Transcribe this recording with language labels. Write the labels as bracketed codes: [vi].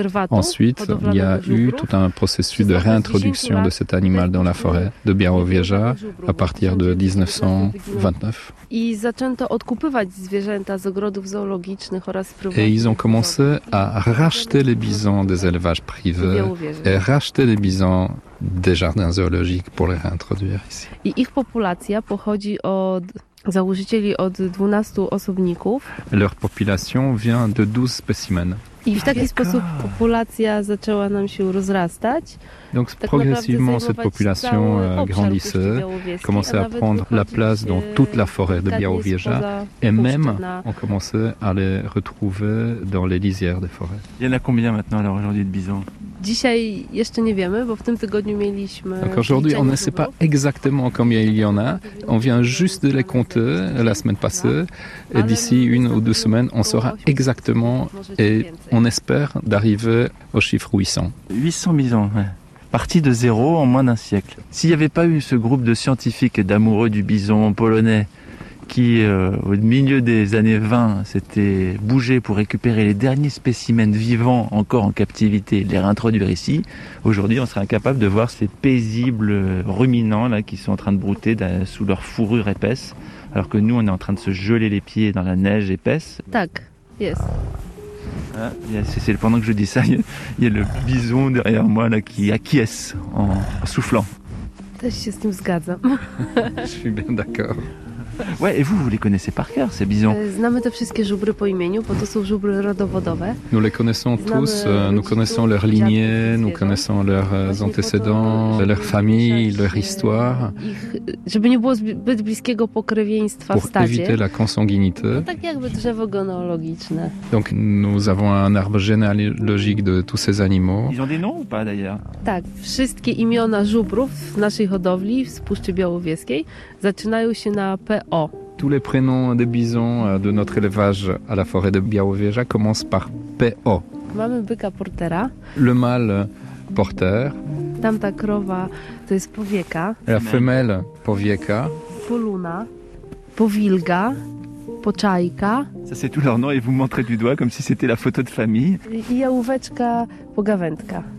[fr] Ensuite, il y a eu tout un processus de réintroduction de cet animal dans la forêt de Białowieża à partir de 1929. [pl] I zaczęto odkupywać zwierzęta z ogrodów zoologicznych oraz prywatnych. [fr] Et ils ont commencé à racheter les bisons des élevages privés et racheter les bisons des jardins zoologiques pour les réintroduire ici. [pl] I ich populacja pochodzi od założycieli od 12 osobników. [fr] Leur population vient de 12 spécimens. [pl] I w taki sposób populacja zaczęła nam się rozrastać. [fr] Donc progressivement cette population grandissait, commençait à prendre la place dans toute la forêt de Białowieża et même on commençait à les retrouver dans les lisières des forêts. Il y en a combien maintenant alors aujourd'hui de bisons? [pl] Dzisiaj jeszcze nie wiemy, bo w tym tygodniu mieliśmy. [fr] Donc aujourd'hui on ne sait pas exactement combien il y en a. On vient juste de les compter la semaine passée et d'ici une ou deux semaines on saura exactement et on espère d'arriver au chiffre 800. 800 bisons. Ouais. Parti de zéro en moins d'un siècle. S'il n'y avait pas eu ce groupe de scientifiques et d'amoureux du bison polonais qui, au milieu des années 20, s'était bougé pour récupérer les derniers spécimens vivants encore en captivité et les réintroduire ici, aujourd'hui on serait incapable de voir ces paisibles ruminants là, qui sont en train de brouter sous leur fourrure épaisse, alors que nous on est en train de se geler les pieds dans la neige épaisse. Tac, yes. Ah, c'est pendant que je dis ça, il y a le bison derrière moi là, qui acquiesce en soufflant. Je suis bien d'accord. Je suis bien d'accord. Ouais, et vous les connaissez par cœur, ces bisons? [pl] Znamy te wszystkie żubry po imieniu, bo to są żubry rodowodowe. [fr] Nous les connaissons tous, nous connaissons leur lignée, nous connaissons leurs antécédents, leur famille, leur histoire. [pl] Żeby nie było zbyt bliskiego pokrewieństwa w stadzie. [fr] Pour éviter la consanguinité. [pl] No tak jakby drzewo genealogiczne. [fr] Donc nous avons un arbre généalogique de tous ces animaux. Ils ont des noms ou pas d'ailleurs? [pl] Tak, wszystkie imiona żubrów w naszej hodowli w Puszczy Białowieskiej zaczynają się na P.O. [fr] Tous les prénoms des bisons de notre élevage à la forêt de Białowieża commencent par P.O. [pl] Mamy byka portera. [fr] Le mâle porter. [pl] Tamta krowa to jest powieka. [fr] La femelle powieka. [pl] Poluna. Powilga. Poczajka. [fr] Ça c'est tout leur nom et vous montrez du doigt comme si c'était la photo de famille. [pl] I jałóweczka pogawędka.